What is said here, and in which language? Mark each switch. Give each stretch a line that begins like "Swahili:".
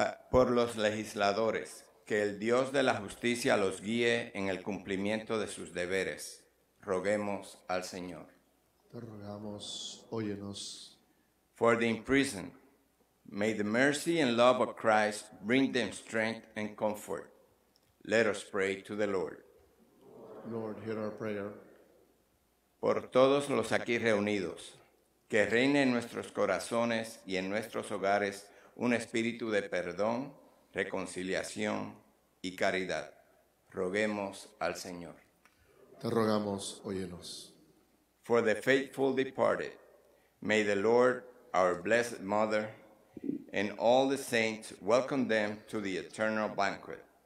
Spanish: Por los legisladores, que el Dios de la justicia los guíe en el cumplimiento de sus deberes, roguemos al Señor. Te rogamos, óyenos.
English: For the imprisoned, may the mercy and love of Christ bring them strength and comfort. Let us pray to the Lord. Lord, hear our prayer.
Spanish: Por todos los aquí reunidos, que reine en nuestros corazones y en nuestros hogares un espíritu de perdón, reconciliación y caridad. Roguemos al Señor. Te rogamos, óyenos.
English: For the faithful departed, may the Lord, our blessed mother, and all the saints welcome them to the eternal banquet.